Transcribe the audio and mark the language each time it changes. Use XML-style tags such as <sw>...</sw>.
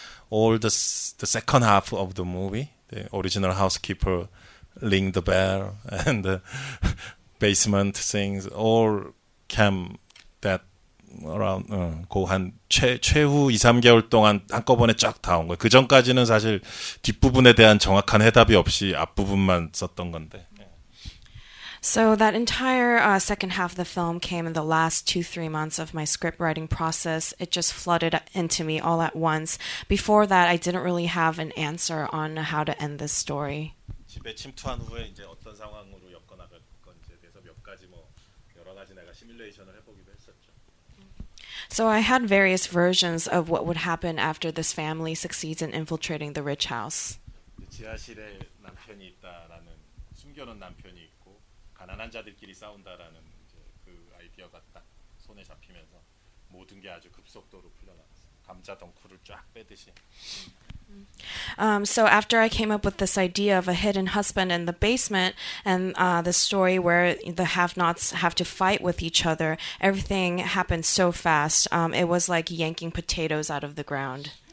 <en>All the second half of the movie, the original housekeeper, ring the bell, and the basement things, all came that around</en> <ko>고한 최후 2-3개월 동안 한꺼번에 쫙 다 온 거예요. 그 전까지는 사실 뒷부분에 대한 정확한 해답이 없이 앞부분만 썼던 건데.</ko> <en>So that entire second half of the film came in the last 2-3 months of my script writing process. It just flooded into me all at once. Before that, I didn't really have an answer on how to end this story.</en> <ko>집에 침투한 후에 이제 어떤 상황으로 엮어나갈 건지에 대해서 몇 가지 뭐 여러 가지 내가 시뮬레이션을 해보기도 했었죠.</ko> <en>So I had various versions of what would happen after this family succeeds in infiltrating the rich house.</en> <ko>지하실에 남편이 있다라는 숨겨놓은 남편이 가난한 자들끼리 싸운다라는 이제 그 아이디어가 딱 손에 잡히면서 모든 게 아주 급속도로 풀려나갔어요. 감자 덩크를 쫙 빼듯이.</ko> <en>So after I came up with this idea of a hidden husband in the basement and the story where the have-nots have to fight with each other, everything happened so fast. It was like yanking potatoes out of the ground.</en>